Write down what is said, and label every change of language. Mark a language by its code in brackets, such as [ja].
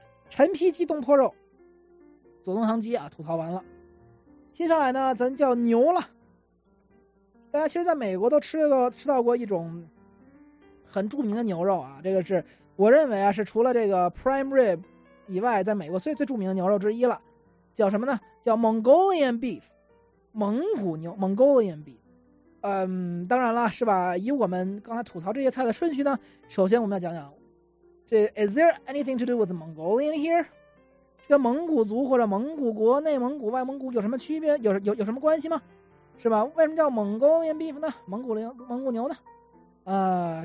[zh] 陈皮鸡东坡肉，左宗棠鸡啊，吐槽完了。接下来呢，咱叫牛了。大家其实在美国都吃到过一种很著名的牛肉啊，这个是我认为啊，是除了这个 prime rib 以外，在美国最著名的牛肉之一了。叫什么呢？叫 Mongolian beef， 蒙古牛 ，Mongolian beef。当然了，是吧？以我们刚才吐槽这些菜的顺序呢，首先我们要讲讲，这 [en] Is there anything to do with Mongolian here？ [zh] 这个蒙古族或者蒙古国、内蒙古、外蒙古有什么区别？有什么关系吗？是吧？为什么叫 Mongolian beef 呢？蒙古牛呢？